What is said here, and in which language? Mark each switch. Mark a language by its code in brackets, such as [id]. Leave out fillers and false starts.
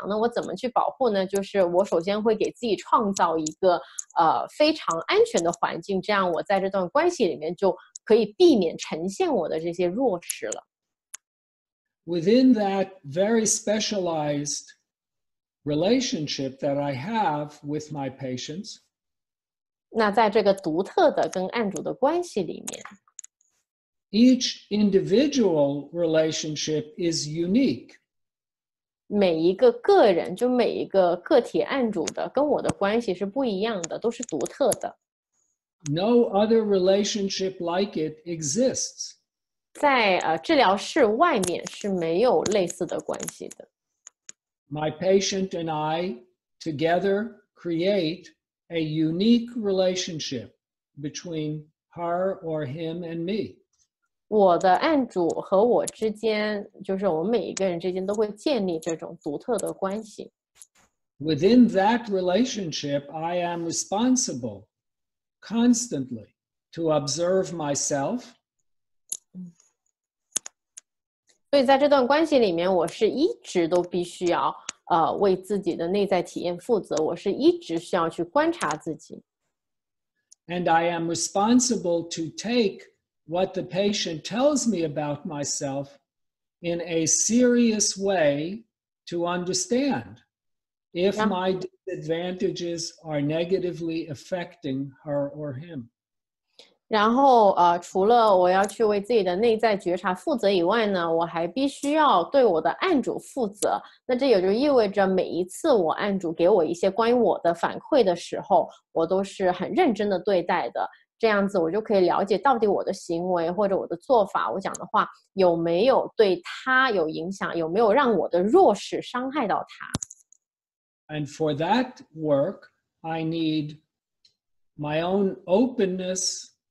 [zh] 那我怎么去保护呢？就是我首先会给自己创造一个非常安全的环境，这样我在这段关系里面就可以避免呈现我的这些弱势了。 [en] Within that very specialized relationship that I have with my patients, [zh] 那在这个独特的跟案主的关系里面, [en] each individual relationship is unique. [zh] 每一个个人,就每一个个体案主的跟我的关系是不一样的,都是独特的。 [en] No other relationship like it exists. [zh] 在治疗室外面是没有类似的关系的。 [en] My patient and I together create a unique relationship between her or him and me. [zh] 我的案主和我之间，就是我们每一个人之间都会建立这种独特的关系。 [en] Within that relationship, I am responsible constantly to observe myself. [zh] 所以在这段关系里面，我是一直都必须要为自己的内在体验负责，我是一直需要去观察自己。 [en] And I am responsible to take what the patient tells me about myself in a serious way to understand if my disadvantages are negatively affecting her or him. [zh] 然后除了我要去为自己的内在觉察负责以外呢，我还必须要对我的案主负责。那这也就意味着每一次我案主给我一些关于我的反馈的时候，我都是很认真的对待的。这样子我就可以了解到底我的行为或者我的做法，我讲的话有没有对他有影响，有没有让我的弱势伤害到他。 [en] And for that work, I need my own openness.